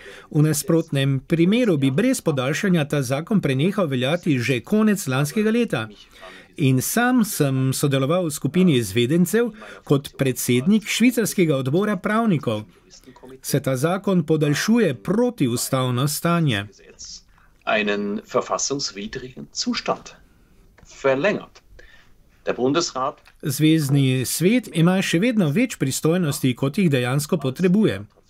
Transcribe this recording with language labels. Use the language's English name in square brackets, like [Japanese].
[Slovenian] V nasprotnem primeru bi brez podaljšanja ta zakon prenehal veljati že konec lanskega leta. In sam sem sodeloval v skupini izvedencev kot predsednik švicarskega odbora pravnikov. Se ta zakon podaljšuje protiustavno stanje. [German] Einen verfassungswidrigen Zustand verlängert. [Slovenian] Zvezni svet ima še vedno več pristojnosti, kot jih dejansko potrebuje.